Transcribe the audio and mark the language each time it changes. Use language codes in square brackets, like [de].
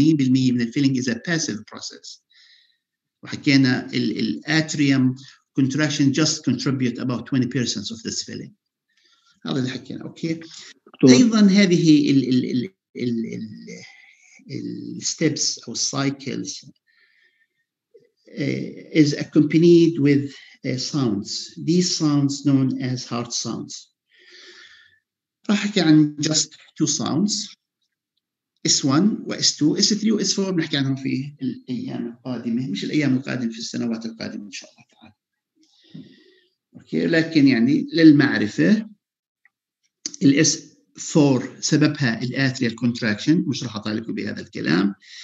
[ar] من الفيلينج is a passive process وحكينا الاتريوم contraction just contribute about 20% of this filling هذا اللي حكينا أوكي أيضا هذه الـ steps أو cycles is accompanied with sounds. [en] These sounds known as heart sounds. [ar] راح أحكي عن just two sounds. S1 و S2, S3 و S4 بنحكي عنهم في الأيام القادمة. مش الأيام القادمة في السنوات القادمة إن شاء الله تعالى. أوكي. لكن يعني للمعرفة الـ S4 سببها الـ atrial contraction مش راح أطالبك بهذا الكلام.